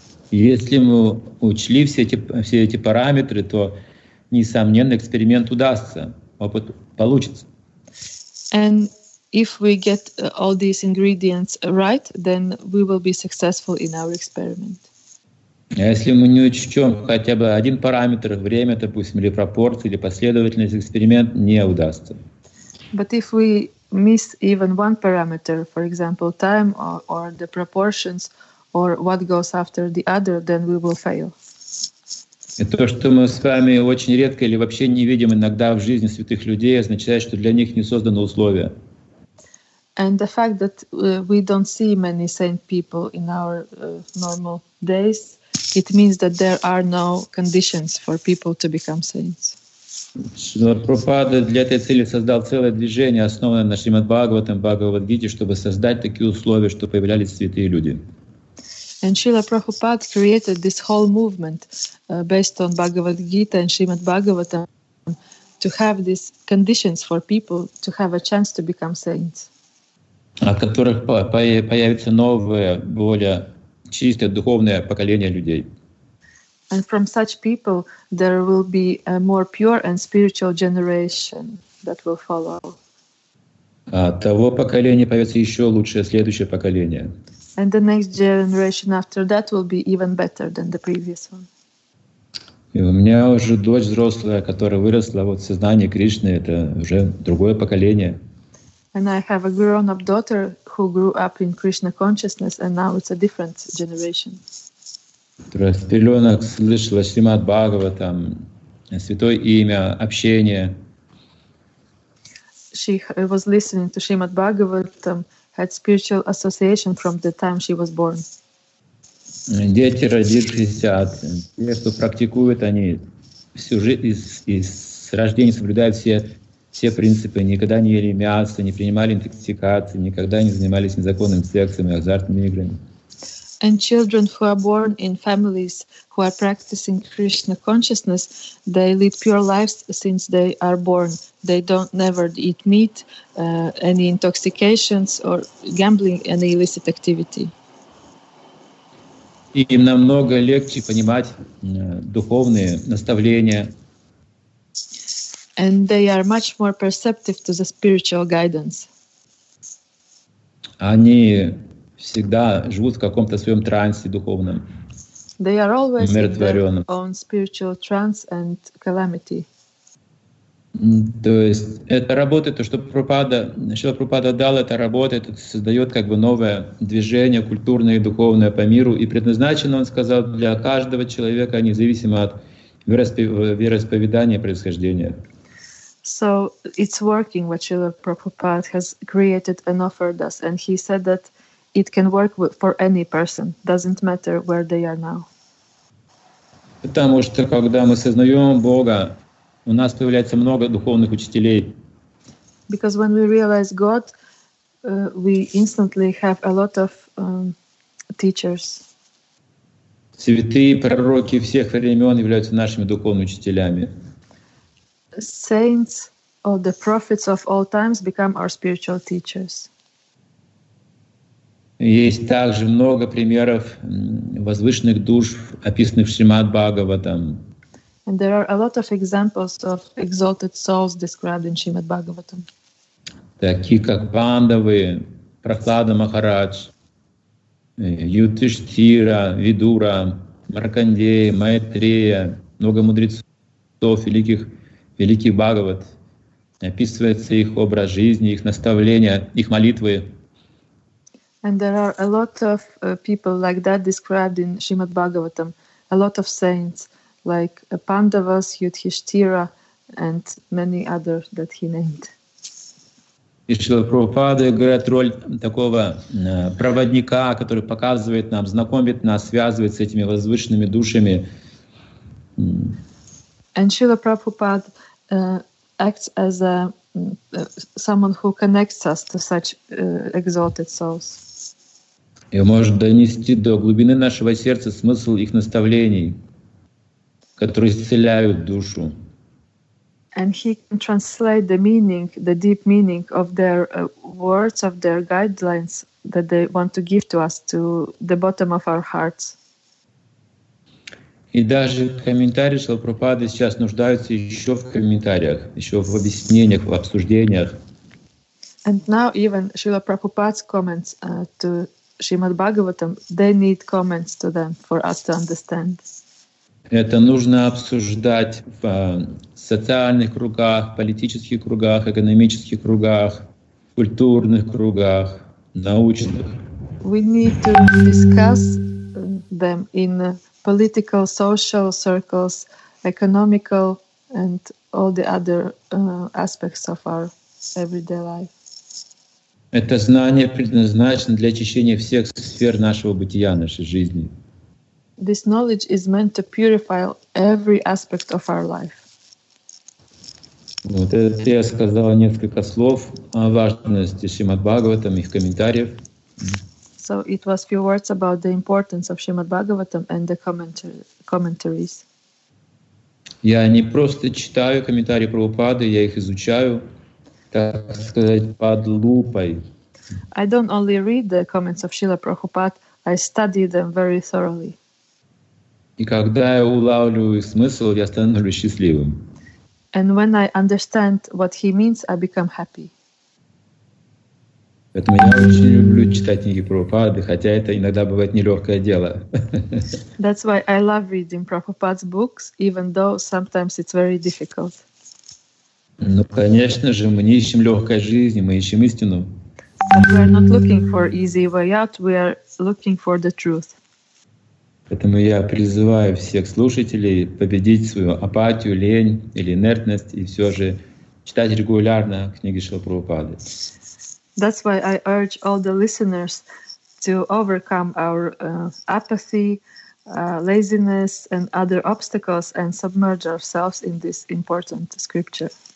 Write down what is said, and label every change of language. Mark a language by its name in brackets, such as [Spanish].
[Russian] Если мы учли все эти параметры, то, несомненно, эксперимент удастся, опыт получится. [English] And if we get all these ingredients right, then we will be successful in our experiment. [Russian] А если мы не учтем хотя бы один параметр, время, допустим, или пропорции, или последовательность, эксперимент не удастся. [English] But if we miss even one parameter, for example, time or the proportions, or what goes after the other, then we will fail. [Russian] И то, что мы с вами очень редко или вообще не видим иногда в жизни святых людей, означает, что для них не созданы условия. [English] And the fact that we don't see many saint people in our normal days, it means that there are no conditions for people to become saints. [Russian] Прабхупада для этой цели создал целое движение, основанное на Шримад Бхагаватам, Бхагавадгите, чтобы создать такие условия, чтобы появлялись святые люди. [English] And Srila Prabhupada created this whole movement based on Bhagavad Gita and Srimad Bhagavatam to have these conditions for people to have a chance to become saints. [Russian] От которых появится новое, более чистое духовное поколение людей. [English] And from such people there will be a more pure and spiritual generation that will follow. [Russian] От того поколения появится еще лучшее следующее поколение. [English] And the next generation after that will be even better than the previous one. [Russian] И у меня уже дочь взрослая, которая выросла вот в сознании Кришны, это уже другое поколение. [English] And I have a grown-up daughter who grew up in Krishna consciousness, and now it's a different generation. [Russian] Которая с пеленок слышала Шримад Бхагаватам, святое имя, общение. [English] She was listening to Srimad Bhagavatam, had spiritual association from the time she was born. [Russian] Дети, родившиеся от тех, кто практикует, они всю жизнь с рождения соблюдают все принципы, никогда не ели мясо, не принимали интоксикации, никогда не занимались незаконным сексом и азартными играми. [English] And children who are born in families who are practicing Krishna consciousness, they lead pure lives since they are born. They don't never eat meat, any intoxications or gambling, any illicit activity. [Russian] Им намного легче понимать духовные наставления. [English] And they are much more perceptive to the spiritual guidance. [Russian] Они всегда живут в каком-то своем трансе духовном, умиротворенном. [English] They are always in their own spiritual trance and calamity. [Russian] То есть это работает, то, что Прабхупада дал, это работает, это создает как бы новое движение культурное и духовное по миру. И предназначено, он сказал, для каждого человека, независимо от вероисповедания, происхождения. [English] So it's working, what Srila Prabhupada has created and offered us. And he said that it can work for any person, doesn't matter where they are now. [Russian] Потому что когда мы сознаем Бога, у нас появляется много духовных учителей. [English] Because when we realize God, we instantly have a lot of teachers. [Russian] Святые пророки всех времен являются нашими духовными учителями. [English] Saints or the prophets of all times become our spiritual teachers. [Russian] Есть также много примеров возвышенных душ, описанных в Шримад Бхагаватам. [English] And there are a lot of examples of exalted souls described in Shrimad Bhagavatam. [Russian] Такие как Пандавы, Прахлада Махарадж, Юдхиштхира, Видура, Маркандеи, Майтрея, много мудрецов, великих Бхагават. Описывается их образ жизни, их наставления, их молитвы. [English] And there are a lot of people like that described in Srimad Bhagavatam, a lot of saints, like Pandavas, Yudhishthira, and many others that he named. [Russian] И Шрила Прабхупада играет роль такого проводника, который показывает нам, знакомит нас, связывает с этими возвышенными душами. [English] And Шрила Прабхупада acts as a someone who connects us to such exalted souls. [Russian] И может донести до глубины нашего сердца смысл их наставлений, которые исцеляют душу. [English] And he can translate the meaning, the deep meaning of their words, of their guidelines that they want to give to us to the bottom of our hearts. [Russian] И даже комментарии Шрилы Прабхупады сейчас нуждаются еще в комментариях, еще в объяснениях, в обсуждениях. [English] And now even Srila Prabhupada's comments to Srimad Bhagavatam, they need comments to them for us to understand. [Russian] Это нужно обсуждать в социальных кругах, политических кругах, экономических кругах, культурных кругах, научных. [English] We need to discuss them in political, social circles, economical and all the other aspects of our everyday life. [Russian] Это знание предназначено для очищения всех сфер нашего бытия, нашей жизни. [English] This knowledge is meant to purify every aspect of our life. [Russian] Вот это я сказала несколько слов о важности Шримад Бхагаватам и их комментариев. [English] So it was few words about the importance of Shrimad Bhagavatam and the commentaries. [Russian] Я не просто читаю комментарии Прабхупады, я их изучаю, так сказать, под лупой. [English] I don't only read the comments of Srila Prabhupada, I study them very thoroughly. [Russian] И когда я улавливаю смысл, я становлюсь счастливым. [English] And when I understand what he means, I become happy. [Russian] Поэтому я очень люблю читать книги Прабхупады, хотя это иногда бывает нелегкое дело. [English] That's why I love reading Prabhupada's books, even though sometimes it's very difficult. [Russian] Ну, конечно же, мы не ищем легкой жизни, мы ищем истину. [English] But we are not looking for easy way out, we are looking for the truth. [Russian] Поэтому я призываю всех слушателей победить свою апатию, лень или инертность и все же читать регулярно книги Шрилы Прабхупады. [English] That's why I urge all the listeners to overcome our apathy, laziness and other obstacles and submerge ourselves in this important scripture.